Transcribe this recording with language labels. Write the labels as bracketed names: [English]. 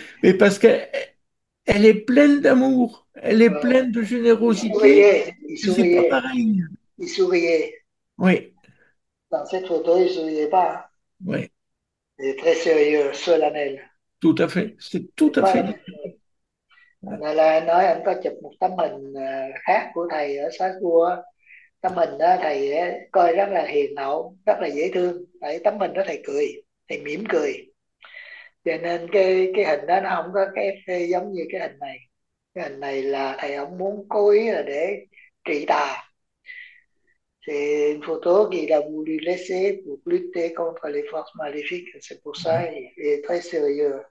[French] Mais parce qu'elle est pleine d'amour, elle est pleine de générosité. Ce n'est pas pareil. Il souriait. Oui. Dans cette photo, il souriait pas. Oui. C'est très sérieux, solennel. Tout à fait. C'est tout C'est à fait pas. différent. [Vietnamese] Anh Alain nói anh có chụp một tấm hình khác của thầy ở Strasbourg. Tấm hình đó thầy coi rất là hiền hậu, rất là dễ thương. Tại tấm hình đó thầy cười, thầy mỉm cười. Cho nên cái hình đó nó không có cái giống như cái hình này. Cái hình này là thầy ông muốn cố ý là để trị tà. [French] C'est une photo qu'il a voulu laisser pour lutter contre les forces maléfiques. C'est pour ça qu'il est très sérieux.